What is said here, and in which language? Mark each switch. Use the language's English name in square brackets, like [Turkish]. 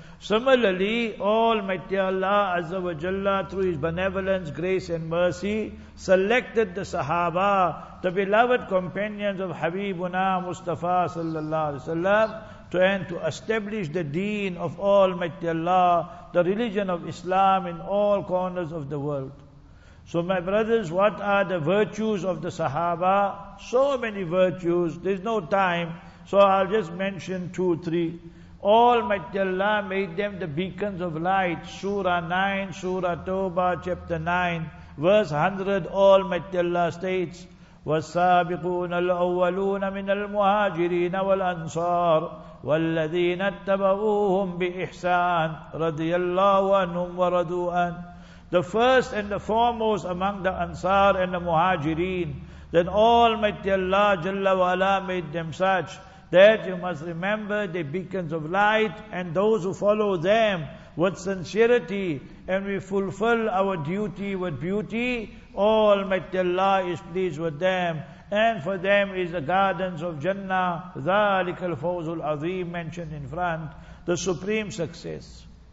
[English] Similarly, Almighty Allah Azza wa Jalla, through His benevolence, grace and mercy, selected the Sahaba, the beloved companions of Habibuna Mustafa sallallahu alayhi wa sallam, to establish the deen of Almighty Allah, the religion of Islam in all corners of the world. So my brothers, what are the virtues of the Sahaba? So many virtues, there's no time, so I'll just mention two, three. Almighty Allah made them the beacons of light. Surah 9, Surah Tawbah, chapter 9, verse 100, Almighty Allah states, [Arabic] وَالسَّابِقُونَ الْأَوَّلُونَ مِنَ الْمُهَاجِرِينَ وَالْأَنصَارِ وَالَّذِينَ اتَّبَعُوهُمْ بِإِحْسَانِ رَضِيَ اللَّهُ عَنْهُمْ وَرَضُوا عَنْهُ. [English] The first and the foremost among the Ansar and the Muhajirin, then Almighty Allah Jalla wa Ala made them such, that you must remember the beacons of light, and those who follow them with sincerity, and we fulfill our duty with beauty, Almighty Allah is pleased with them, and for them is the gardens of Jannah, [Arabic] ذَلِكَ الْفَوْزُ الْعَظِيمُ, [English] mentioned in front, the supreme success.